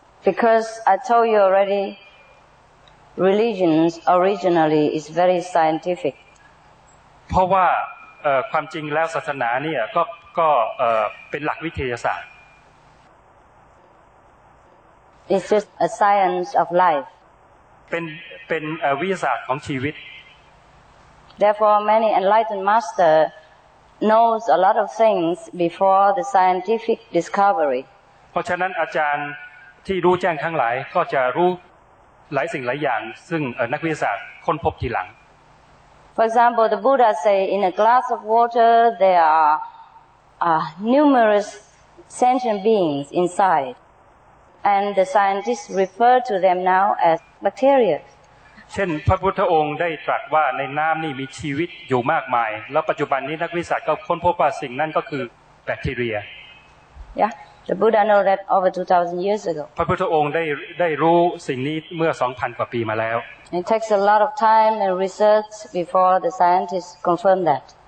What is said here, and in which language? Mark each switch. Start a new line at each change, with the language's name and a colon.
English: Because I told you already, religions originally is very scientific.
Thai: เพราะว่าความจริงแล้วศาสนาเนี่ยก็เป็นหลักวิทยาศาสตร์
English: It's just a science of life.
Thai: เป็นวิทยาศาสตร์ของชีวิต
English: Therefore, many enlightened master knows a lot of things before the scientific discovery.
Thai: เพราะฉะนั้นอาจารย์ที่รู้แจ้งทั้งหลายก็จะรู้หลายสิ่งหลายอย่างซึ่งนักวิทยาศาสตร์ค้นพบทีหลัง
English: For example the Buddha say in a glass of water there are numerous sentient beings inside and the scientists refer to them now as bacteria
Thai: เช่นพระพุทธองค์ได้ตรัสว่าในน้ำนี่มีชีวิตอยู่มากมายแล้วปัจจุบันนี้นักวิทยาศาสตร์ก็ค้นพบว่าสิ่งนั้นก็คือแบคทีเรีย
English: Yeah The Buddha know that over 2,000 years ago.
Thai: พระพุทธองค์ได้รู้สิ่งนี้เมื่อ 2,000 กว่าปีมาแล้ว
English: It takes a lot of time and research before the scientists confirm that.